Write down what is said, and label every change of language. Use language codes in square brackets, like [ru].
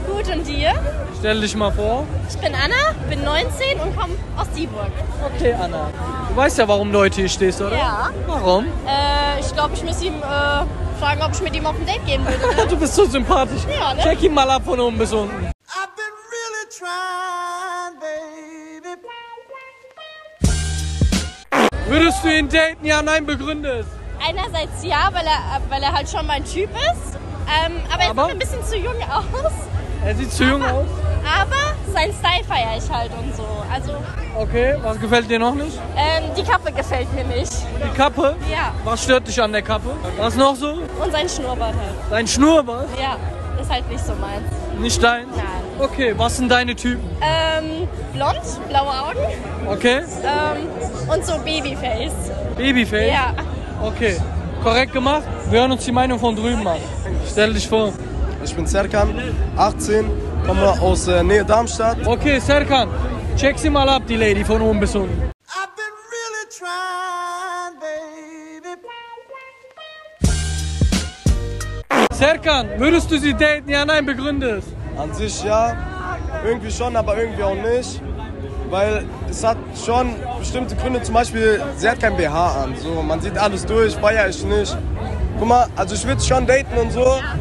[de] Gut, und dir? Stell dich mal vor. Ich bin Anna, bin 19 und komme aus Dieburg. Okay, Anna. Du weißt ja, warum du heute hier stehst, oder? Ja. Warum? Ich glaube, ich muss ihm fragen, ob ich mit ihm auf ein Date gehen würde. Du bist so sympathisch. Ja, ne? Check ihn mal ab von oben bis unten. [en] I've been really trying, baby. [de] Würdest du ihn daten? Ja, nein, begründet. Einerseits ja, weil er halt schon mein Typ ist. Aber er sieht ein bisschen zu jung aus. Er sieht zu jung aus? Aber sein Style feiere ich halt und so. Also. Okay, was gefällt dir noch nicht? Die Kappe gefällt mir nicht. Die Kappe? Ja. Was stört dich an der Kappe? Was noch so? Und sein Schnurrbart halt. Sein Schnurrbart? Ja, ist halt nicht so meins. Nicht deins? Nein. Okay, was sind deine Typen? Blond, blaue Augen. Okay. Und so Babyface. Babyface? Ja. Okay, korrekt gemacht. Wir hören uns die Meinung von drüben an. Stell dich vor. Ich bin Serkan, 18, komme aus der Nähe Darmstadt. Okay, Serkan, check sie mal ab, die Lady von oben bis unten. [en] I've been really trying, baby. [de] Serkan, würdest du sie daten? Ja, nein, begründet. An sich ja, irgendwie schon, aber irgendwie auch nicht. Weil es hat schon bestimmte Gründe, zum Beispiel, sie hat kein BH an. So, man sieht alles durch, feier ich nicht. Guck mal, also ich würde schon daten und so.